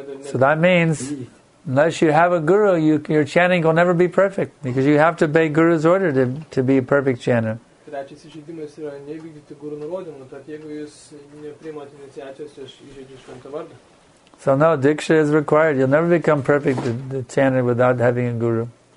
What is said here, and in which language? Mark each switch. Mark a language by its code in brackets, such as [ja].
[en] So that means, unless you have a guru, your chanting will never be perfect, because you have to obey guru's order to be a perfect chanter. [lt] Trečias įžeidimas yra nevykdyti guru nurodymų, tad jeigu jūs nepriimate iniciacijos, aš įžeidžiu šventą vardą. [en] So no, diksha is required. You'll never become perfect the chanter without having a guru.